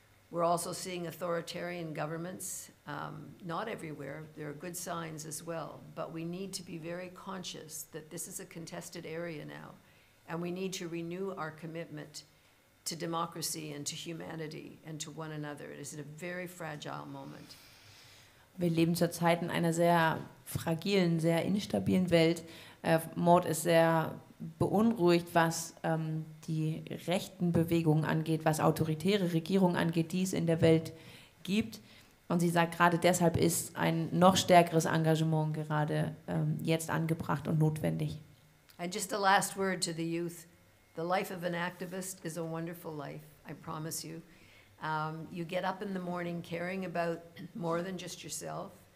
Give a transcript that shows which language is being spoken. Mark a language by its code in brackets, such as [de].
[en] We're also seeing authoritarian governments, not everywhere. There are good signs as well, but we need to be very conscious that this is a contested area now, and we need to renew our commitment to democracy and to humanity and to one another. It is a very fragile moment. [de] Wir leben zurzeit in einer sehr fragilen, sehr instabilen Welt. Maud ist sehr beunruhigt, was die rechten Bewegungen angeht, was autoritäre Regierungen angeht, die es in der Welt gibt. Und sie sagt, gerade deshalb ist ein noch stärkeres Engagement gerade jetzt angebracht und notwendig. [en] And just a last word to the youth. The life of an activist is a wonderful life, I promise you. You get up in the morning caring about more than just yourself.